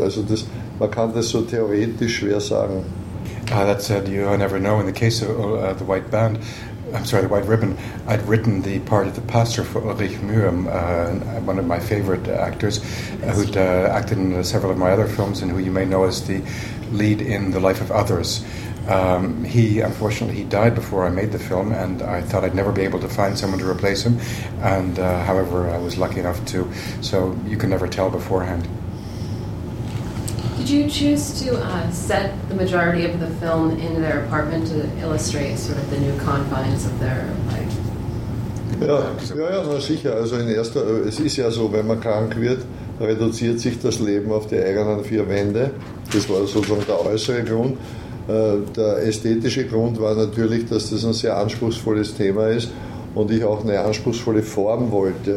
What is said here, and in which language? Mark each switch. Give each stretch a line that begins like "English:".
German: Also das, man kann das so theoretisch schwer sagen.
English: That said, you never know in the case of the White Band, I'm sorry, The White Ribbon, I'd written the part of the pastor for Ulrich Mühe, one of my favorite actors, who'd acted in several of my other films and who you may know as the lead in The Life of Others. He, unfortunately, died before I made the film, and I thought I'd never be able to find someone to replace him, and however, I was lucky enough to, so you can never tell beforehand. Did you choose to set the majority of the film in their apartment to illustrate sort of the new confines of their life?
German: Ja, na sicher. Also es ist ja so, wenn man krank wird, reduziert sich das Leben auf die eigenen vier Wände. Das war sozusagen der äußere Grund. Der ästhetische Grund war natürlich, dass das ein sehr anspruchsvolles Thema ist und ich auch eine anspruchsvolle Form wollte.